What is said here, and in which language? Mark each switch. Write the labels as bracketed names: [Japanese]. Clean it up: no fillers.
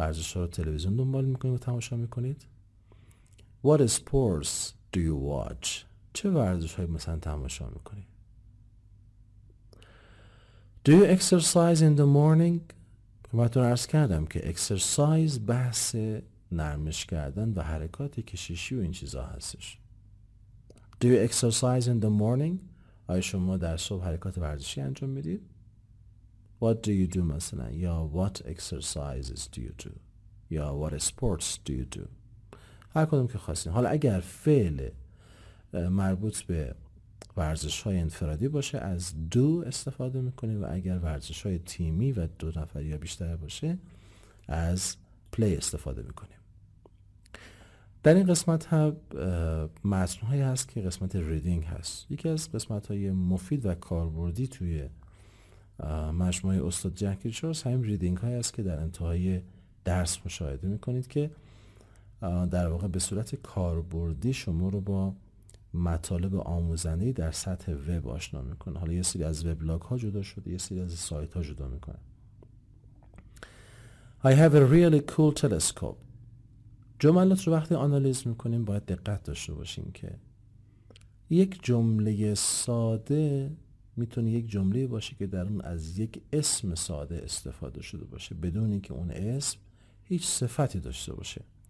[Persian] ورزش ها رو تلویزیون دنبال میکنید و تماشا میکنید؟ [English] What sports do you watch؟ [Persian] چه ورزش های مثلا تماشا میکنید؟ [English] Do you exercise in the morning؟ [Persian] براتون عرض کردم که exercise بحث نرمش کردن و حرکات کششی و این چیزا هستش. [English] Do you exercise in the morning؟ [Persian] آیا شما در صبح حرکات ورزشی انجام میدید؟ [English] What do you do مثلا؟ یا what exercises do you do؟ یا what sports do you do؟ [Persian] هر کدوم که خواستین. حالا اگر فعل مربوط به ورزش های انفرادی باشه از do استفاده میکنید و اگر ورزش های تیمی و دو نفری یا بیشتر باشه از play استفاده میکنیم. در این قسمت ها متن هایی هست که قسمت reading هست. یکی از قسمت های مفید و کاربردی توی مجموعه استاد جنگیر شورس همین reading هایی هست که در انتهای درس مشاهده میکنید که در واقع به صورت کاربردی شما رو با مطالب آموزنده‌ای در سطح وب آشنا میکنه. حالا یه سری از وبلاگ ها جدا شده، یه سری از سایت ها جدا میکنه. [English] I have a really cool telescope. [Persian] جملات رو وقتی آنالیز میکنیم باید دقت داشته باشین که یک جمله ساده میتونه یک جمله باشه که در اون از یک اسم ساده استفاده شده باشه بدون اینکه اون اسم هیچ صفتی داشته باشه.